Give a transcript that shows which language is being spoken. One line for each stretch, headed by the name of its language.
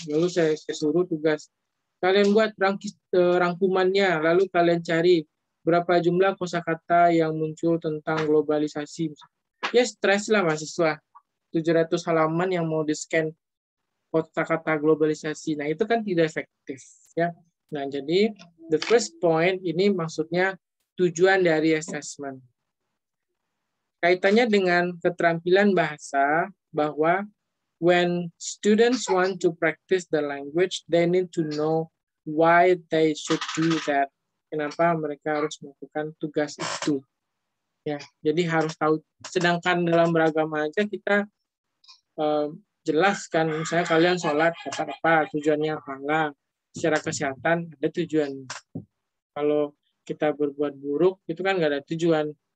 Indonesian: Lalu saya suruh tugas, kalian buat rangkumannya, lalu kalian cari berapa jumlah kosakata yang muncul tentang globalisasi. Ya stres lah mahasiswa, 700 halaman yang mau di-scan kosakata globalisasi. Nah itu kan tidak efektif. Ya. Nah jadi
English: the first point
Indonesian: ini maksudnya tujuan dari assessment. Kaitannya dengan keterampilan bahasa, bahwa
English: when students want to practice the language, they need to know why they should do that.
Indonesian: Kenapa mereka harus melakukan tugas itu. Ya, jadi harus tahu. Sedangkan dalam beragama aja kita jelaskan, misalnya kalian sholat, apa-apa, tujuannya apa. Secara kesehatan, ada tujuan. Kalau kita berbuat buruk, itu kan nggak ada tujuan.